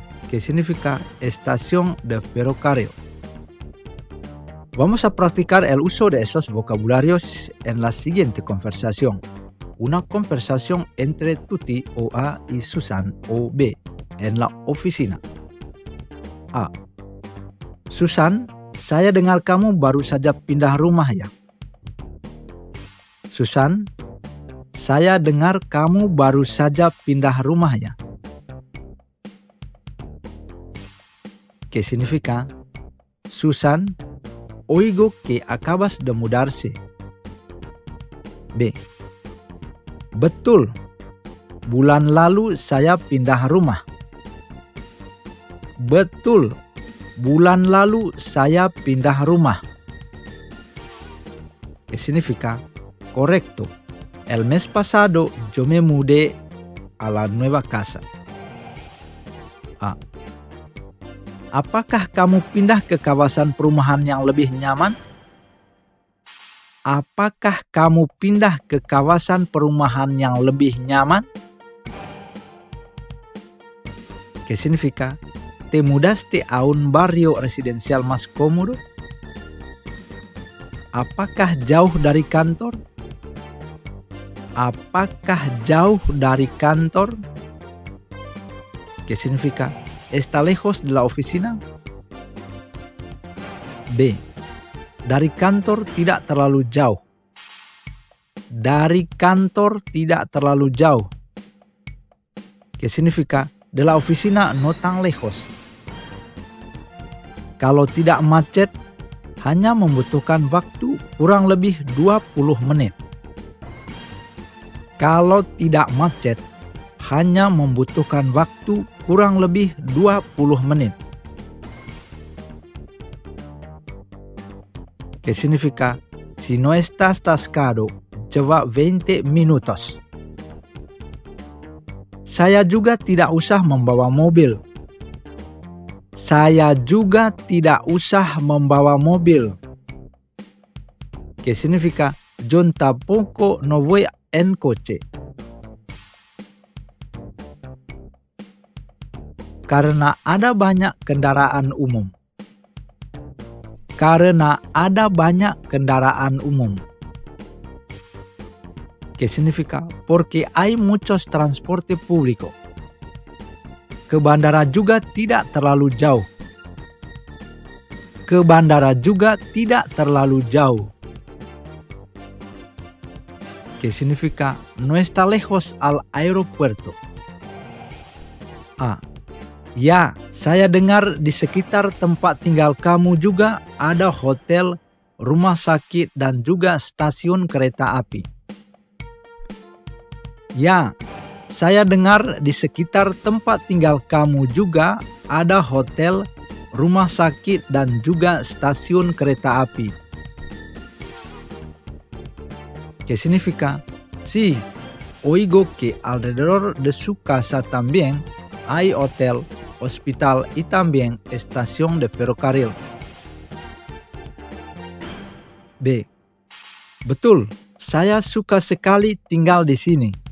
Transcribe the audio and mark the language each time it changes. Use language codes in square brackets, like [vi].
[es] Que significa estación de ferrocarril? Vamos a practicar el uso de esos vocabularios en la siguiente conversación. Una conversación entre Tuti o A y Susan o B en la oficina. A. [id] Susan, saya dengar kamu baru saja pindah rumah ya. Susan, saya dengar kamu baru saja pindah rumah ya. [es] ¿Qué significa? Susan, oigo que acabas de mudarse. B. [id] Betul, bulan lalu saya pindah rumah. Betul, bulan lalu saya pindah rumah. [es] ¿Qué significa? Correcto, el mes pasado yo me mudé a la nueva casa. A. [id] Apakah kamu pindah ke kawasan perumahan yang lebih nyaman? Apakah kamu pindah ke kawasan perumahan yang lebih nyaman? [es] ¿Qué significa? ¿Te mudaste a un barrio residencial más cómodo? [id] Apakah jauh dari kantor? Apakah jauh dari kantor? [es] ¿Qué significa? ¿Está lejos de la oficina? B. [id] Dari kantor tidak terlalu jauh. Dari kantor tidak terlalu jauh. [es] ¿Qué significa? De la oficina no tan lejos. [id] Kalau tidak macet, hanya membutuhkan waktu kurang lebih 20 menit. Kalau tidak macet, hanya membutuhkan waktu kurang lebih 20 menit. [es] ¿Qué significa? Si no estás atascado, lleva 20 minutos. [id] Saya juga tidak usah membawa mobil. Saya juga tidak usah membawa mobil. [es] ¿Qué significa? Yo tampoco no voy en coche. [id] Karena ada banyak kendaraan umum. Karena ada banyak kendaraan umum. [es] ¿Qué significa? Porque hay muchos transporte público. [id] Ke bandara juga tidak terlalu jauh. Ke bandara juga tidak terlalu jauh. [es] ¿Qué significa? No está lejos al aeropuerto. A. [id] Ya, saya dengar di sekitar tempat tinggal kamu juga ada hotel, rumah sakit, dan juga stasiun kereta api. Ya, saya dengar di sekitar tempat tinggal kamu juga ada hotel, rumah sakit, dan juga stasiun kereta api. [es] ¿Qué significa? Sí, oigo que alrededor de su casa también hay hotel, hospital y también estación de ferrocarril. [id] B. Betul, saya suka sekali tinggal di sini.